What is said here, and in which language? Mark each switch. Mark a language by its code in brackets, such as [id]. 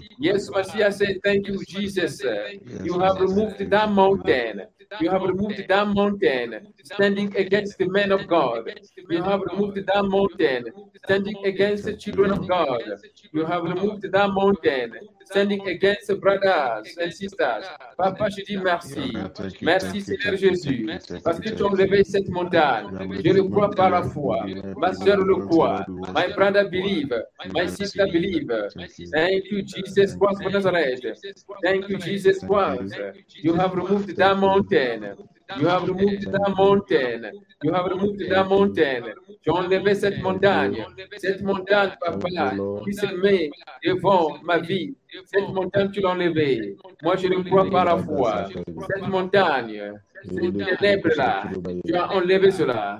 [en] Yes, Messiah said, thank you, Jesus. You have removed that mountain. You have removed that mountain standing against the men of God. You have removed that mountain standing against the children of God. You have removed that mountain standing against brothers and sisters. [fr] Papa, je dis merci. Merci, Seigneur Jésus. Parce que tu as enlevé cette montagne. Je le crois par la foi. Ma soeur le croit. [en] My brother believe. My sister believe. Thank you, Jesus Christ for Nazareth. Thank you, Jesus Christ. You have removed that mountain. You have removed that mountain. You have removed that mountain. [fr] Tu as enlevé cette montagne. Cette montagne, papa, qui se met devant ma vie. Cette montagne, tu l'as enlevée. Moi, je ne crois pas la foi. Cette montagne, cette ténèbre-là, tu as enlevé cela.